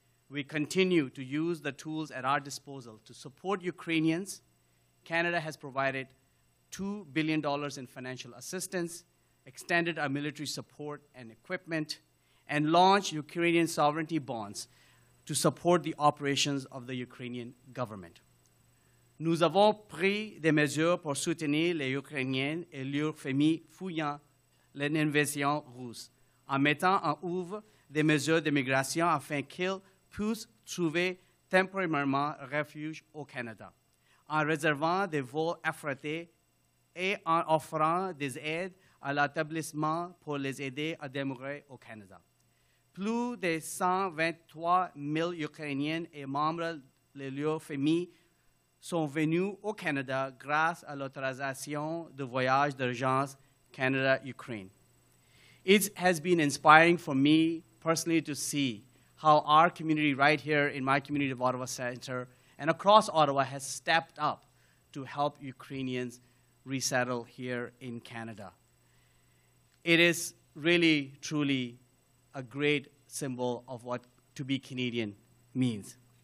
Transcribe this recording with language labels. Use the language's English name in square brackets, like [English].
[English] We continue to use the tools at our disposal to support Ukrainians. Canada has provided $2 billion in financial assistance, extended our military support and equipment, and launched Ukrainian sovereignty bonds to support the operations of the Ukrainian government. [French] Nous avons pris des mesures pour soutenir les Ukrainiens et leurs familles fuyant l'invasion russe, en mettant en œuvre des mesures d'immigration afin qu'ils puissent trouver temporairement refuge au Canada, en réservant des vols affrétés et en offrant des aides à l'établissement pour les aider à demeurer au Canada. Plus de 123 000 Ukrainiens et membres de leurs familles sont venus au Canada grâce à l'autorisation de voyage d'urgence Canada-Ukraine. [English] It has been inspiring for me personally to see how our community right here in my community of Ottawa Center and across Ottawa has stepped up to help Ukrainians resettle here in Canada. It is really, truly a great symbol of what to be Canadian means.